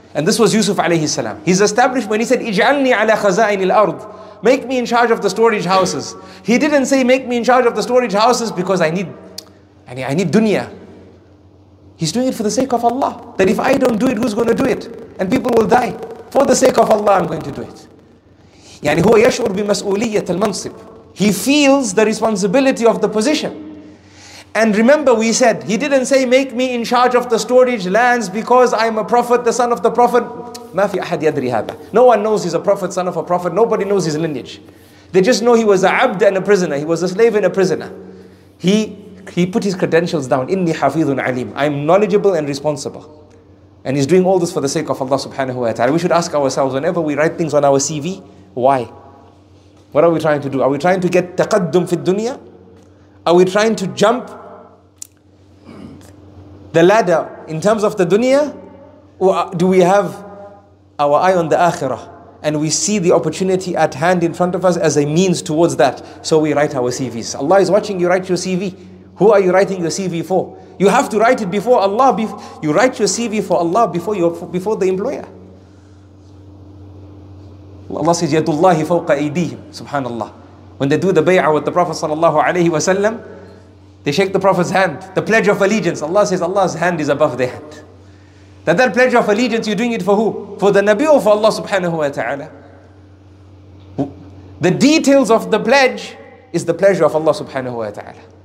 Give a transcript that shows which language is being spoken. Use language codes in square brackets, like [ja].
[en] And this was Yusuf alayhi salam. He's established when he said, [ar] اِجْعَلْنِي عَلَى خَزَائِنِ الْأَرْضِ, [en] make me in charge of the storage houses. He didn't say, make me in charge of the storage houses because I need dunya. He's doing it for the sake of Allah. That if I don't do it, who's going to do it? And people will die. For the sake of Allah, I'm going to do it. [ar] يعني هو يشعر بمسؤولية المنصب. [en] He feels the responsibility of the position. And remember, we said, he didn't say, make me in charge of the storage lands because I'm a prophet, the son of the prophet. [ar] ما في أحد يدري هذا. [en] No one knows he's a prophet, son of a prophet. Nobody knows his lineage. They just know he was a abd and a prisoner. He was a slave and a prisoner. He put his credentials down. [ar] Inni hafidhun alim. [en] I'm knowledgeable and responsible. And he's doing all this for the sake of Allah subhanahu wa ta'ala. We should ask ourselves, whenever we write things on our CV, why? What are we trying to do? Are we trying to get [ar] taqaddum fi dunya? [en] Are we trying to jump the ladder in terms of the dunya? Or do we have our eye on the akhirah and we see the opportunity at hand in front of us as a means towards that? So we write our CVs. Allah is watching you write your CV. Who are you writing your CV for? You have to write it before Allah. You write your CV for Allah before the employer. Allah says, [ar] يَدُ فَوْقَ أَيْدِيهِمْ. Subhanallah. [en] When they do the bay'ah with the Prophet sallallahu alayhi wa sallam, they shake the Prophet's hand. The pledge of allegiance. Allah says, Allah's hand is above their hand. That pledge of allegiance, you're doing it for who? For the Nabi or for Allah subhanahu wa ta'ala? The details of the pledge is the pleasure of Allah subhanahu wa ta'ala.